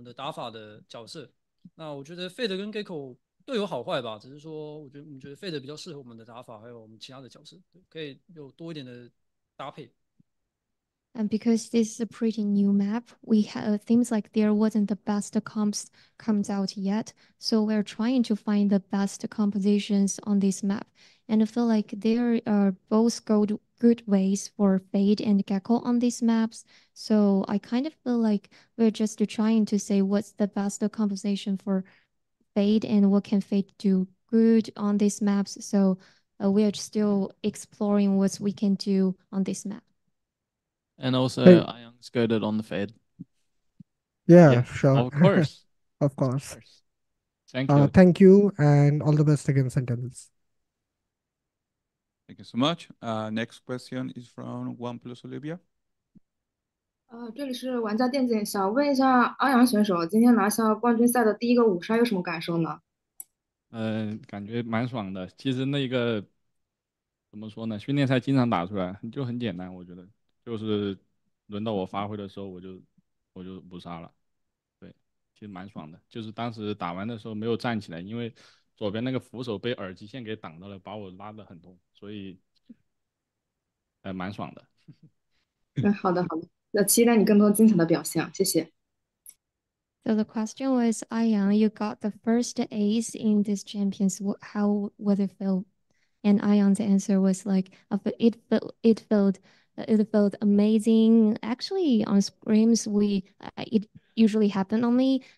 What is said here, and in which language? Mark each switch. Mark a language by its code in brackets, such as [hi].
[zh] 在阵容上，他有很多带伤缺，就是他没有说一个有一个最好的阵容，然后也有因应那个队伍的风格，然后我们找了一个我觉得最好配合我们风格还有我们的打法的角色。那我觉得 Fade 跟 Gekko 各有好坏吧，只是说我觉得 Fade 比较适合我们的打法，还有我们其他的角色，可以有多一点的搭配。 [en] And because this is a pretty new map, we have seems like there wasn't the best comps comes out yet. So we're trying to find the best compositions on this map. And I feel like there are both good ways for Fade and Gekko on these maps. So I kind of feel like we're just trying to say what's the best composition for Fade and what can Fade do good on these maps. So we are still exploring what we can do on this map. And also, Hey. Iron goaded on the fade. Yeah, Yeah, sure. of course. Of Of course. course. Thank you. Thank you and all the best against sentence. Thank you so much. Next question is from OnePlus Olivia. [zh] 这里是玩家电竞，想问一下阿阳选手，今天拿下冠军赛的第一个五杀有什么感受呢？感觉蛮爽的。其实那个怎么说呢？训练赛经常打出来，就很简单。我觉得就是轮到我发挥的时候，我就不杀了。其实蛮爽的。就是当时打完的时候没有站起来，因为左边那个扶手被耳机线给挡到了，把我拉得很痛，所以蛮爽的。好的，好的。那期待你更多精彩的表现，谢谢。 [en] So the question was, Ayang, you got the first ace in this champions. How would it feel? And Ayang's answer was like, it felt amazing. Actually, on scrims, it usually happened on me.